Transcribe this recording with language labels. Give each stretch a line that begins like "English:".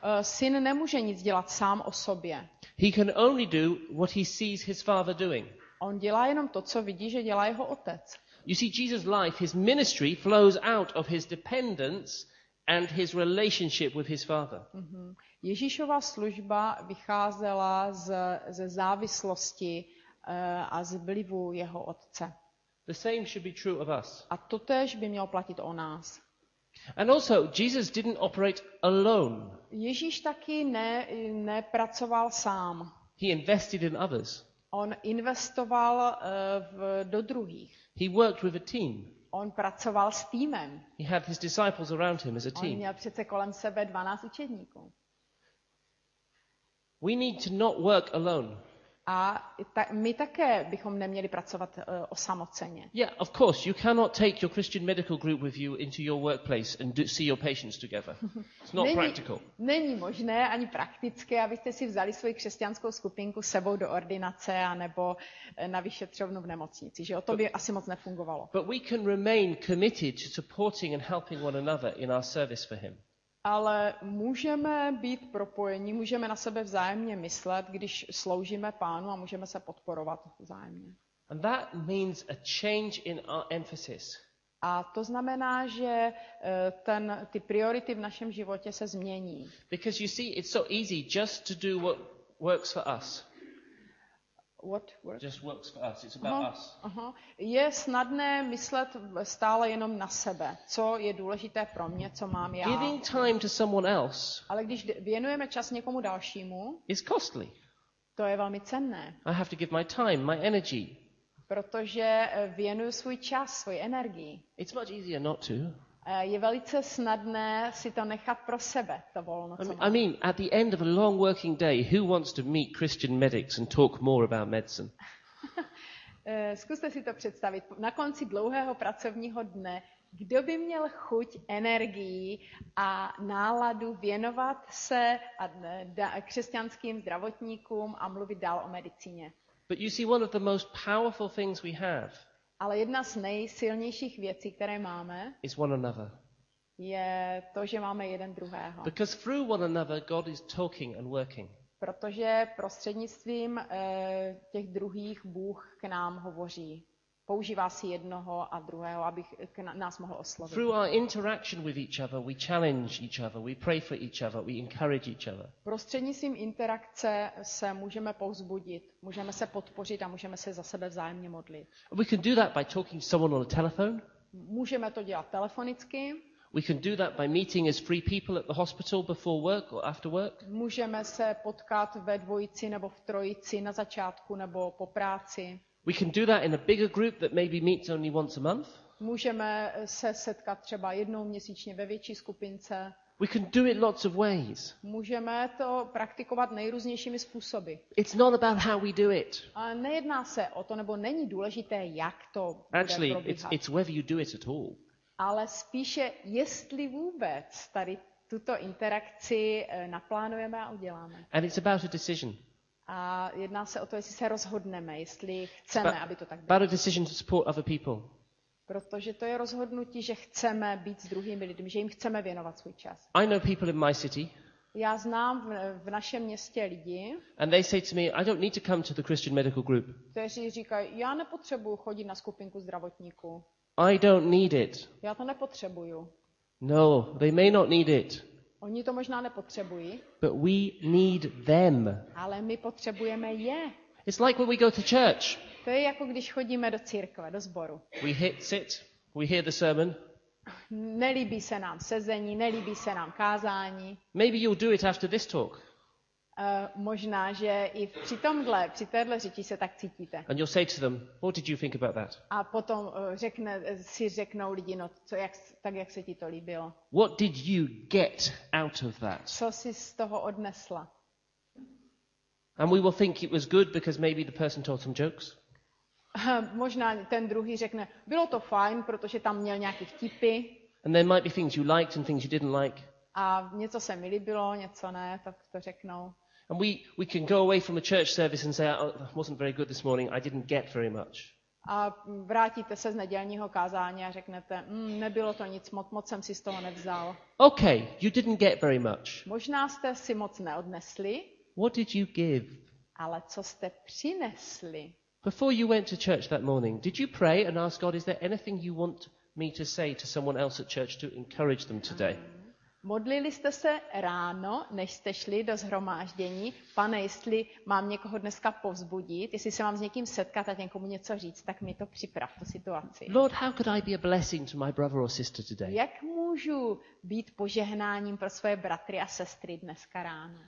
Czech: Syn nemůže nic dělat sám o sobě.
English: He can only do what he sees his Father doing.
Czech: On dělá jenom to, co vidí, že dělá jeho otec.
English: You see, Jesus' life, his ministry flows out of his dependence and his relationship with his Father.
Czech: Ježíšova služba vycházela ze závislosti a z vlivu jeho otce.
English: The same should be true of us.
Czech: A totéž by mělo platit o nás.
English: And also, Jesus didn't operate alone.
Czech: Ježíš taky nepracoval sám.
English: He invested in others.
Czech: On investoval do druhých.
English: He worked with a team.
Czech: On pracoval s týmem.
English: He had his disciples around him as a team.
Czech: On měl přece kolem sebe 12 učedníků.
English: We need to not work alone.
Czech: A my také bychom neměli pracovat osamoceně.
English: Yeah, of course, you cannot take your Christian medical group with you into your workplace and see your patients together. It's not practical.
Czech: Není možné ani praktické, abyste si vzali svoji křesťanskou skupinku sebou do ordinace a nebo na vyšetřovnu v nemocnici, že o to by asi moc nefungovalo.
English: But we can remain committed to supporting and helping one another in our service for him.
Czech: Ale můžeme být propojeni, můžeme na sebe vzájemně myslet, když sloužíme Pánu a můžeme se podporovat vzájemně.
English: And that means a change in our emphasis.
Czech: A to znamená, že ty priority v našem životě se změní.
English: Because you see, it's so easy just to do what works for us. What works? Just works for us. It's about us.
Czech: Je snadné myslet stále jenom na sebe. Co je důležité pro mě, co mám já.
English: Giving time to someone else.
Czech: Ale když věnujeme čas někomu dalšímu.
English: It's costly.
Czech: To je velmi cenné.
English: I have to give my time, my energy.
Czech: Protože věnuju svůj čas, svoji energii.
English: It's much easier not to.
Czech: Je velice snadné si to nechat pro sebe, to volno.
English: I mean, at the end of a long working day, who wants to meet Christian medics and talk more about medicine?
Czech: Zkuste si to představit. Na konci dlouhého pracovního dne, kdo by měl chuť, energii a náladu věnovat se křesťanským zdravotníkům a mluvit dál o medicíně?
English: But you see, one of the most powerful things we have.
Czech: Ale jedna z nejsilnějších věcí, které máme,
English: is one another.
Czech: Je to, že máme jeden druhého.
English: Because through one another God is talking and working.
Czech: Protože prostřednictvím těch druhých Bůh k nám hovoří. Používá si jednoho a druhého, aby nás mohl oslovit.
English: Through our interaction with each other, we challenge each other, we pray for each other, we encourage each other.
Czech: Prostřednictvím interakce se můžeme povzbudit, můžeme se podpořit a můžeme se za sebe vzájemně modlit.
English: We can do that by talking to someone on the telephone.
Czech: Můžeme to dělat telefonicky.
English: We can do that by meeting as free people at the hospital before work or after work.
Czech: Můžeme se potkat ve dvojici nebo v trojici na začátku nebo po práci.
English: We can do that in a bigger group that maybe meets only once a month.
Czech: Můžeme se setkat třeba jednou měsíčně ve větší skupince.
English: We can do it lots of ways.
Czech: Můžeme to praktikovat nejrůznějšími způsoby.
English: It's not about how we do it.
Czech: A nejedná se o to, nebo není důležité, jak to probíhá.
English: Actually, it's whether you do it at all.
Czech: Ale spíše, jestli vůbec tady tuto interakci naplánujeme a uděláme.
English: And it's about a decision.
Czech: A jedná se o to, jestli se rozhodneme, jestli chceme, aby to tak bylo.
English: About a decision to support other people.
Czech: Protože to je rozhodnutí, že chceme být s druhými lidmi, že jim chceme věnovat svůj čas.
English: I know people in my city.
Czech: Já znám v našem městě lidi.
English: And they say to me, I don't need to come to the Christian medical group.
Czech: Kteří říkají, já nepotřebuji chodit na skupinku zdravotníků.
English: I don't need it.
Czech: Já to nepotřebuju.
English: No, they may not need it.
Czech: Oni to možná nepotřebují.
English: But we need them.
Czech: Ale my potřebujeme je.
English: It's like when we go to church.
Czech: To je jako když chodíme do církve, do sboru.
English: We hit sit, we hear the sermon.
Czech: Nelíbí se nám sezení, nelíbí se nám kázání.
English: Maybe you'll do it after this talk.
Czech: Možná, že i při tomhle, při téhle řeči se tak cítíte.
English: And you'll say to them, what did you think about that?
Czech: A potom řeknou lidi, no, jak se ti to líbilo.
English: What did you get out of that?
Czech: Co jsi z toho odnesla?
English: And we will think it was good because maybe the person told some jokes.
Czech: Možná ten druhý řekne, bylo to fajn, protože tam měl nějaký vtipy.
English: And there might be things you liked and things you didn't like.
Czech: A něco se mi líbilo, něco ne, tak to řeknou.
English: And we can go away from a church service and say, oh, it wasn't very good this morning, I didn't get very much.
Czech: A vrátíte se z nedělního kázání a řeknete, nebylo to nic, moc jsem si z toho nevzal.
English: Okay, you didn't get very much.
Czech: Možná jste si moc neodnesli.
English: What did you give?
Czech: Ale co jste přinesli?
English: Before you went to church that morning, did you pray and ask God, is there anything you want me to say to someone else at church to encourage them today?
Czech: Modlili jste se ráno, než jste šli do shromáždění, pane, jestli mám někoho dneska povzbudit, jestli se mám s někým setkat a někomu něco říct, tak mi to připrav, tu situaci.
English: Lord, how could I be a blessing to my brother or sister today?
Czech: Jak můžu být požehnáním pro svoje bratry a sestry dneska ráno?